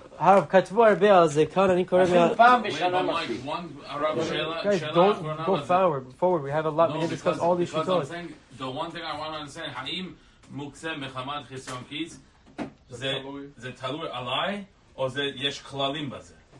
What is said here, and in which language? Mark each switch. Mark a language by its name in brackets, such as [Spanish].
[Hebrew] הרב, כתבו הרבה על זה, כאן אני קורא... אפילו פעם בשנה מספיק. [English] Guys, don't go forward, we have a lot, we have discussed all these shiurim. Because I'm saying, the one thing I want to understand, [Hebrew] האם מוקצה מחמת חסרון כיס, זה תלוי עליי, או יש כללים בזה?